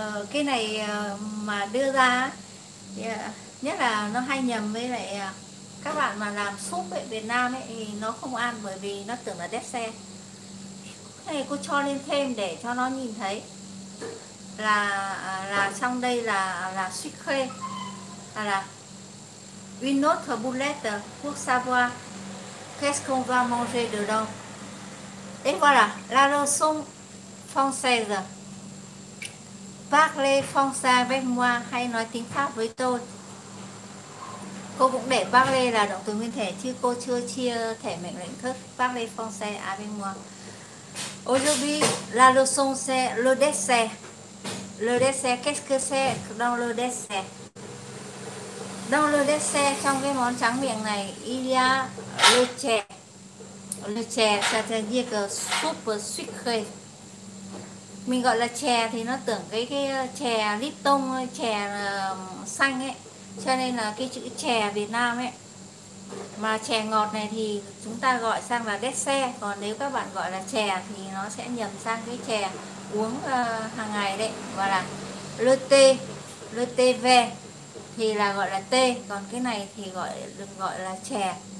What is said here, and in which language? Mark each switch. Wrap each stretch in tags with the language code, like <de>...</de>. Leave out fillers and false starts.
<vi>Cái này mà đưa ra nhất là nó hay nhầm với lại các bạn mà làm súp ở Việt Nam ấy, thì nó không ăn bởi vì nó tưởng là đét xe. Này cô cho lên thêm để cho nó nhìn thấy là trong đây là sucre, là</vi> <fr>une autre boulette pour savoir qu'est-ce qu'on va manger dedans. Et voilà, la leçon française. Parlez français avec moi,</fr> <vi>hay nói tiếng Pháp với tôi. Cô cũng để parlez là động từ nguyên thể, chứ cô chưa chia thể mệnh lệnh thức.</vi> <fr>Parlez français avec moi. Aujourd'hui, la leçon c'est le dessert. Le dessert, qu'est-ce que c'est dans le dessert? Dans le dessert,</fr> <vi>trong cái món tráng miệng này,</vi> <fr>il y a le chè. Le chè, ça veut dire que soupe sucrée.</fr> <vi>Mình gọi là chè thì nó tưởng cái chè Lipton, chè xanh ấy. Cho nên là cái chữ chè Việt Nam ấy, mà chè ngọt này thì chúng ta gọi sang là dessert, còn nếu các bạn gọi là chè thì nó sẽ nhầm sang cái chè uống hàng ngày đấy, gọi là</vi> <fr>le thé, le thé vert</fr> <vi>thì là gọi là tê, còn cái này thì gọi đừng gọi là chè.</vi>